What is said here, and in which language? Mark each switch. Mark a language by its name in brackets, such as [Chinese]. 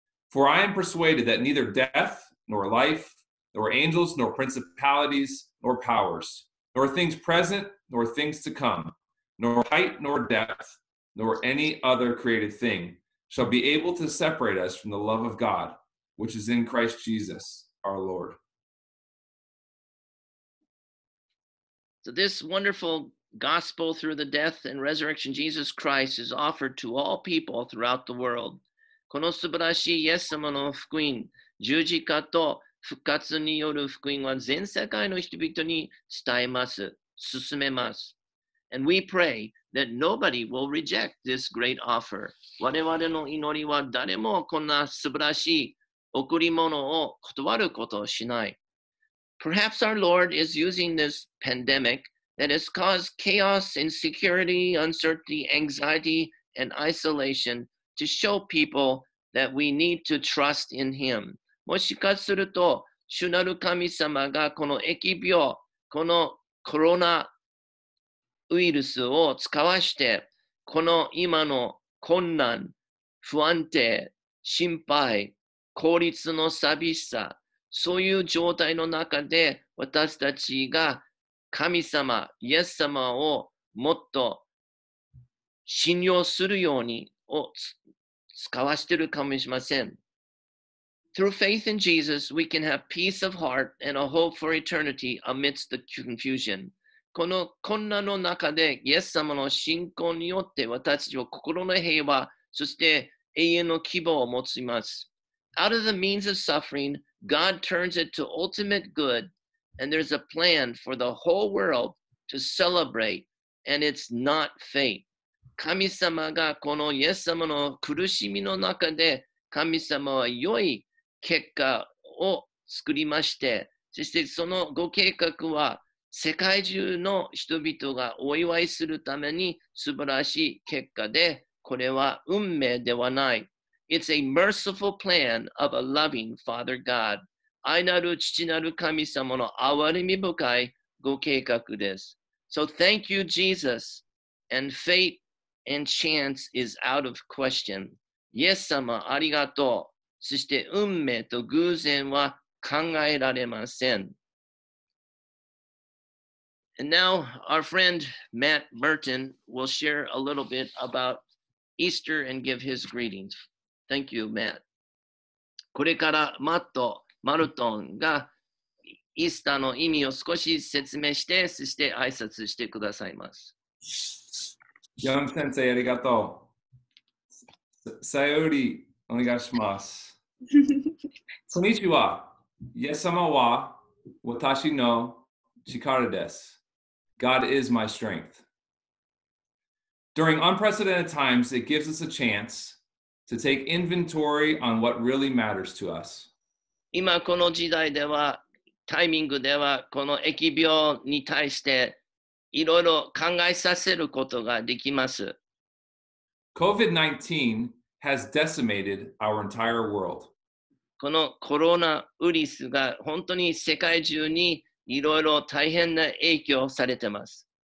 [English] For I am persuaded that neither death nor life,nor angels, nor principalities, nor powers, nor things present, nor things to come, nor height, nor depth, nor any other created thing shall be able to separate us from the love of God, which is in Christ Jesus, our Lord. So this wonderful gospel through the death and resurrection of Jesus Christ is offered to all people throughout the world. [Japanese] この素晴らしいイエス様の福音十字架と復活による福音は全世界の人々に伝えます。進めます。 [English] And we pray that nobody will reject this great offer. [Japanese] 我々の祈りは誰もこんな素晴らしい贈り物を断ることをしない。 [English] Perhaps our Lord is using this pandemic that has caused chaos, insecurity, uncertainty, anxiety, and isolation to show people that we need to trust in Him. [Japanese] もしかすると、主なる神様がこの疫病、このコロナウイルスを使わして、この今の困難、不安定、心配、孤立の寂しさ、そういう状態の中で私たちが神様、イエス様をもっと信用するようにを使わしているかもしれません。 [English] Through faith in Jesus, we can have peace of heart and a hope for eternity amidst the confusion. [Japanese] この困難の中でイエス様の信仰によって私たちは心の平和、そして永遠の希望を持ちます。 [English] Out of the means of suffering, God turns it to ultimate good, and there's a plan for the whole world to celebrate, and it's not fate. [Japanese] 神様がこのイエス様の苦しみの中で、神様は良い結果を作りまして、そしてそのご計画は世界中の人々がお祝いするために素晴らしい結果で、これは運命ではない。 [English] It's a merciful plan of a loving Father God. [Japanese] 愛なる父なる神様の憐み深いご計画です。 [English] So thank you, Jesus. And fate and chance is out of question. [Japanese] イエス様、ありがとう。そして運命と偶然は考えられません。 [English] And now our friend Matt Merton will share a little bit about Easter and give his greetings. Thank you, Matt. [Japanese] これからマット・マルトンがイースターの意味を少し説明して、そして挨拶してくださいます。ヨン先生、ありがとう。さよりお願いします。こんにちは。イエス様は私の力です。 [English] God is my strength. During unprecedented times, it gives us a chance. To take inventory on what really matters to us. [Japanese] 今この時代では、タイミングでは、この疫病に対して、いろいろ考えさせることができます。 [English] COVID-19 has decimated our entire world. [Japanese] このコロナウイルスが本当に世界中にいろいろ大変な影響されてます。